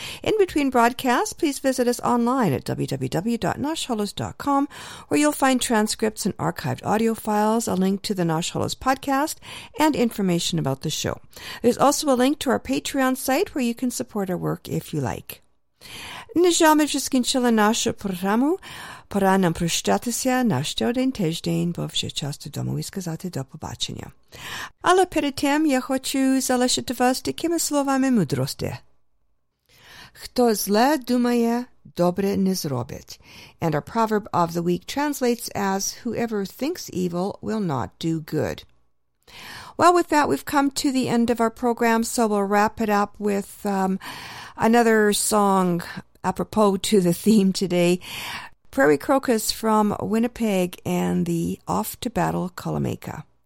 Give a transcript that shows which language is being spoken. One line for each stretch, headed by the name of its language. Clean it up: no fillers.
English: In between broadcasts, please visit us online at www.nashholos.com, where you'll find transcripts and archived audio files, a link to the Nash Holos podcast, and information about the show. There's also a link to our Patreon site where you can support our work if you like.
Ukrainian: Нежами вже скінчили нашу програму. Пора нам прощатися на щодень тиждень, бо вже час додому і сказати до побачення. Але перед тим я хочу залишити вас такими словами мудрості. Хто зле думає, добре не зробить.
English: And our proverb of the week translates as, whoever thinks evil will not do good. Well, with that, we've come to the end of our program, so we'll wrap it up with another song apropos to the theme today, Prairie Crocus from Winnipeg and the Off to Battle Kalameka.